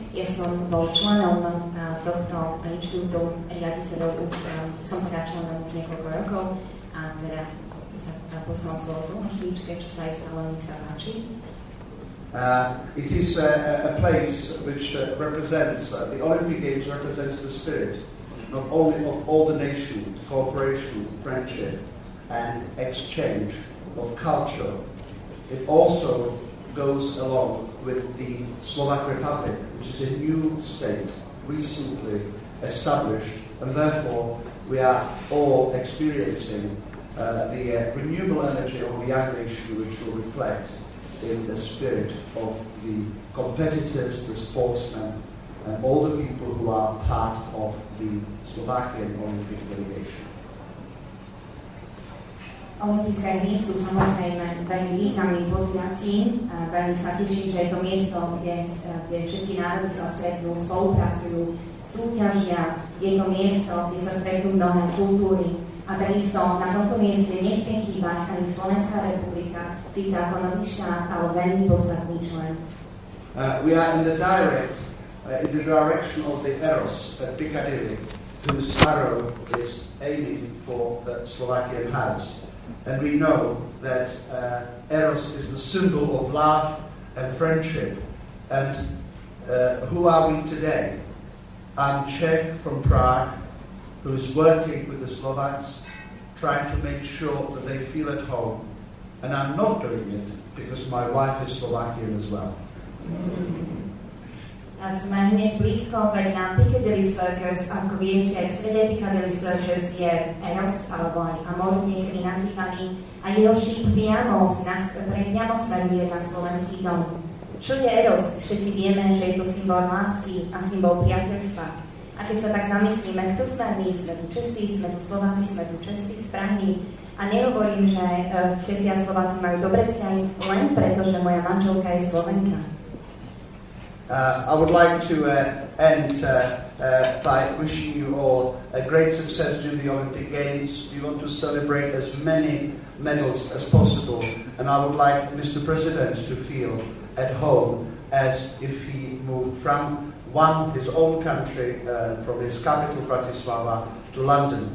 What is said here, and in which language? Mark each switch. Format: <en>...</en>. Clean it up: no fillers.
<sk>Ja som bol členom tohto inštitútu riaditeľov, som teda členom už niekoľko rokov a teda sa poslal slovo tlmočníčke, čo sa aj stalo, nech sa páči.</sk> <en>It is a place which represents, the Olympic Games represents the spirit not only of all the nations, cooperation, friendship, and exchange of culture. It also goes along with the Slovak Republic, which is a new state recently established, and therefore we are all experiencing the renewable energy of the young nation, which will reflect in the spirit of the competitors, the sportsmen, and all the people who are part of the Slovakian Olympic delegation.</en> <sk>Olympijské hry sú samozrejme veľmi významným podujatím. Veľmi sa teším, že je to miesto, kde všetky národy sa stretnú, spolupracujú, súťažia. Je to miesto, kde sa stretnú mnohé kultúry. A takisto na tomto mieste nesmie chýbať ani Slovenská republika, síce ako nový štát, ale veľmi posledný člen.</sk> <en>We are in the direct in the direction of the Eros at Piccadilly, whose sorrow is aiming for the Slovakian house. And we know that Eros is the symbol of love and friendship. And who are we today? I'm Czech from Prague, who is working with the Slovaks, trying to make sure that they feel at home. And I'm not doing it because my wife is Slovakian as well.</en> <sk>Sme hneď blízko vedľa Piccadilly Circus, ako viete, aj v strede Piccadilly Circus je Eros, alebo aj Amor, niekedy nazývaný, a jeho šíp priamo z nás, priamo smeruje na slovenský dom. Čo je Eros? Všetci vieme, že je to symbol lásky a symbol priateľstva. A keď sa tak zamyslíme, kto sme my? Sme tu Česi, sme tu Slováci, sme tu Česi z Prahy. A nehovorím, že Česi a Slováci majú dobré vzťahy, len preto, že moja manželka je Slovenka.</sk> <en>I would like to end by wishing you all a great success during the Olympic Games. We want to celebrate as many medals as possible, and I would like Mr. President to feel at home as if he moved from one his own country, from his capital Bratislava to London.</en>